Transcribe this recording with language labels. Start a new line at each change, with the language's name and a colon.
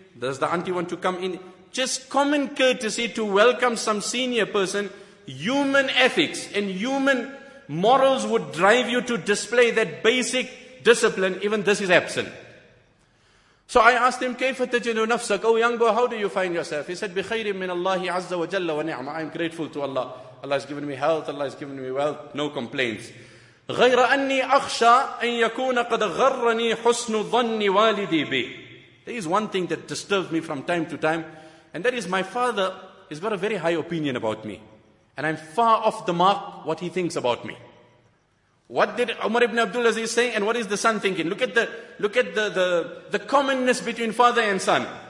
English: Does the auntie want to come in? Just common courtesy to welcome some senior person, human ethics and human morals would drive you to display that basic discipline, even this is absent. So I asked him,
Arabic: كيف تجنو نفسك?
English: Oh young boy, how do you find yourself? He said,
Arabic: بخير من الله عز وجل ونعمة.
English: I'm grateful to Allah. Allah has given me health, Allah has given me wealth, no complaints.
Arabic: غير أني أخشى أن يكون قد غرني حسن ظن والدي بي.
English: There is one thing that disturbs me from time to time, and that is my father has got a very high opinion about me. And I'm far off the mark what he thinks about me. What did Umar ibn Abdul Aziz say? And what is the son thinking? Look at the commonness between father and son.